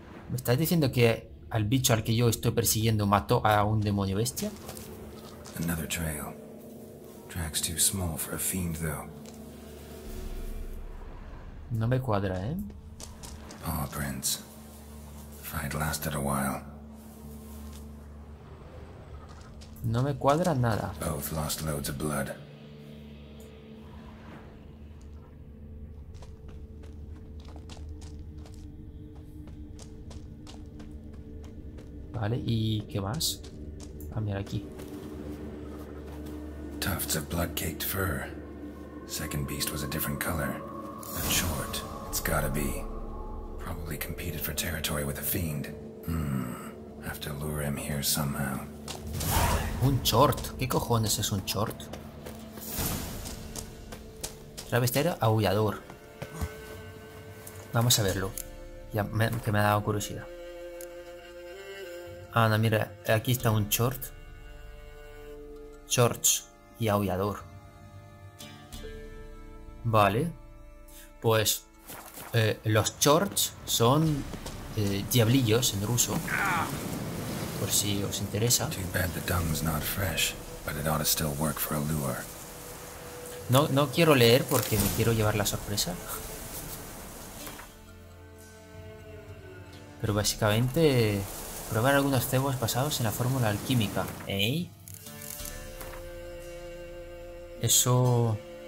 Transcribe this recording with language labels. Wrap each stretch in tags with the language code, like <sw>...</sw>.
<es>¿Me estás diciendo que al bicho al que yo estoy persiguiendo mató a un demonio bestia?</es> <en>Another trail. Tracks too small for a fiend, though.</en> <es>No me cuadra, ¿eh?</es> <en>Paw prints. Fight lasted a while.</en> <es>No me cuadra nada.</es> <en>Both lost loads of blood.</en> <es>Vale, ¿y qué más? Ah, mira aquí.</es> <en>Tufts of blood-caked fur. Second beast was a different color. But short, it's gotta be. Probably competed for territory with a fiend. Have to lure him here somehow.</en> <es>Un short, ¿qué cojones es un short? Travestir aullador. Vamos a verlo. Ya que me ha dado curiosidad. Ah, no, mira, aquí está un short. Shorts y aullador. Vale. Pues los shorts son diablillos en ruso. Por si os interesa.</es> <en>Too bad the dung's not fresh, but it ought to still work for a lure.</en> <es>No quiero leer porque me quiero llevar la sorpresa. Pero básicamente probar algunos cebos basados en la fórmula alquímica, ¿eh? Eso.</es>